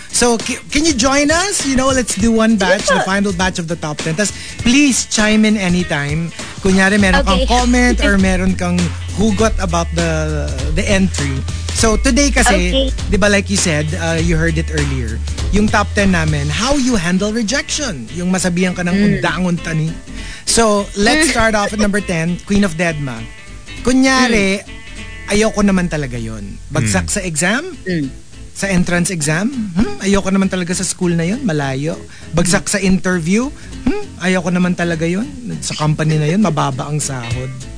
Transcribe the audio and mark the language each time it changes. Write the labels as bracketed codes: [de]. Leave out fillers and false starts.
[en] So, can you join us? You know, let's do one batch, the final batch of the top 10. [tl] Tapos, please chime in anytime. Kunyari, meron kang comment or meron kang hugot about the entry. [en] So, today kasi, di ba, like you said, you heard it earlier, yung top 10 namin, how you handle rejection. [tl] Yung masabihan ka ng undangon tani. [en] So, let's start off at number 10, Queen of Deadma. [tl] Kunyari, ayoko naman talaga yun. Bagsak sa exam? Sa entrance exam? Ayoko naman talaga sa school na yun? Malayo? Bagsak sa interview? Ayoko naman talaga yun? Sa company na yun? Mababa ang sahod.